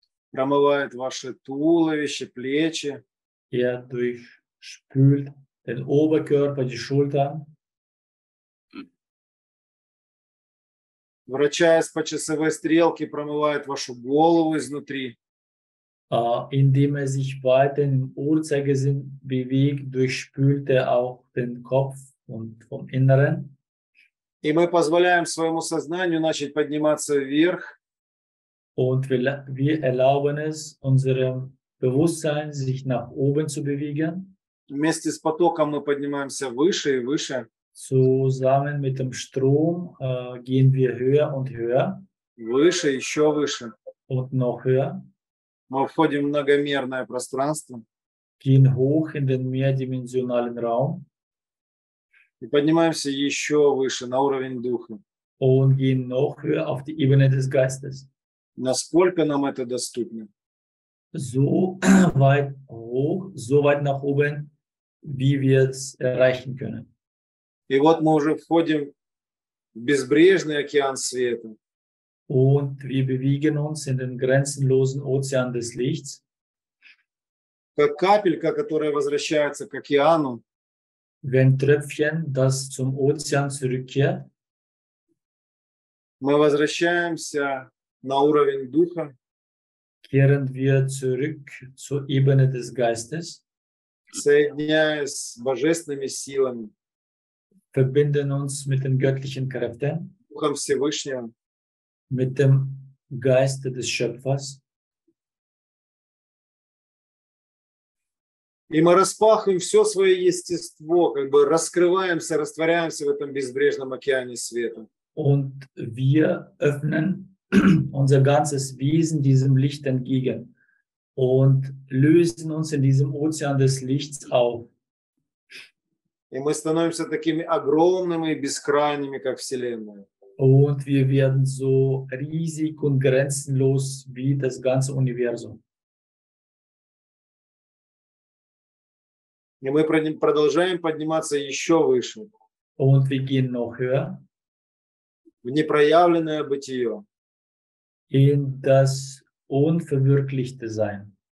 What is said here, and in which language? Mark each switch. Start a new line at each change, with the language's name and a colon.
Russian: Промывает ваше туловище, плечи.
German: Er durchspült den Oberkörper, die Schultern.
Russian: Вращаясь по часовой стрелке, промывает вашу голову изнутри.
German: Indem er sich weiter im Uhrzeigersinn bewegt, durchspült er auch den Kopf und vom Inneren.
Russian: И мы позволяем своему сознанию начать подниматься вверх.
German: Und wir erlauben es unserem Bewusstsein, sich nach oben zu bewegen.
Russian: Вместе с потоком мы поднимаемся выше и выше.
German: Zusammen mit dem Strom gehen wir höher und höher.
Russian: Выше, еще выше.
German: Und noch höher.
Russian: Мы входим в многомерное пространство.
German: Gehen hoch in den mehrdimensionalen Raum.
Russian: И поднимаемся еще выше, на уровень Духа.
German: Und gehen noch höher auf die Ebene des Geistes.
Russian: Насколько нам это доступно?
German: So weit hoch, so weit nach oben, wie wir es erreichen können.
Russian: И вот мы уже входим в безбрежный океан света.
German: Und wir bewegen uns in den grenzenlosen Ozean des Lichts.
Russian: Как капелька, которая возвращается к океану.
German: Wie ein Tröpfchen, das zum Ozean zurückkehrt.
Russian: Мы возвращаемся на уровень Духа.
German: Kehren wir zurück zur Ebene des Geistes.
Russian: Соединяясь с божественными силами.
German: Verbinden uns mit den göttlichen Kräften.
Russian: Духом Всевышнего.
German: Mit dem Geiste des Schöpfers.
Russian: И мы распахиваем все свое естество, как бы раскрываемся, растворяемся в этом безбрежном океане света.
German: Und wir öffnen unser ganzes Wesen diesem Licht entgegen und lösen uns in diesem Ozean des Lichts auf.
Russian: И мы становимся такими огромными и бескрайними, как Вселенная.
German: Und wir werden so riesig und grenzenlos wie das ganze Universum.
Russian: И мы продолжаем подниматься еще выше.
German: Und wir gehen noch höher.
Russian: В непроявленное бытие.
German: In das unverwirklichte Sein.